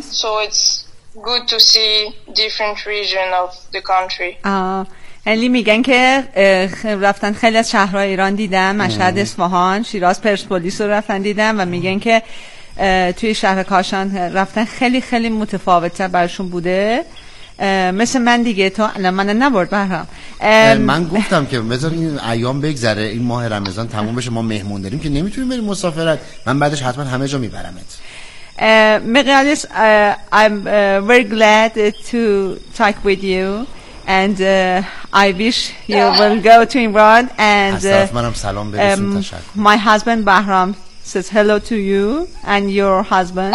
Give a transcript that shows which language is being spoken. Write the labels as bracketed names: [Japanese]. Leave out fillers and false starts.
[English] So it's good to see different region of the country. [Persian] علی میگن که رفتن خیلی از شهرهای ایران دیدن، مشهد، اصفهان، شیراز، پرسپولیس رو رفتن دیدن و میگن که توی شهر کاشان رفتن خیلی خیلی متفاوته برشون بوده. مثل من دیگه، تو الان من نبرد برام. من گفتم که بذار این ایام بگذره، این ماه رمضان تموم بشه، ما مهمون داریم که نمیتونیم بریم مسافرت، من بعدش حتما همه جا میبرمت. [English] مقیالیس، I'm very glad to talk with you, and I wish you will go to Iran. And [Persian] منم سلام برسیم، تشکر. [English] My husband Bahram says hello to you and your husband.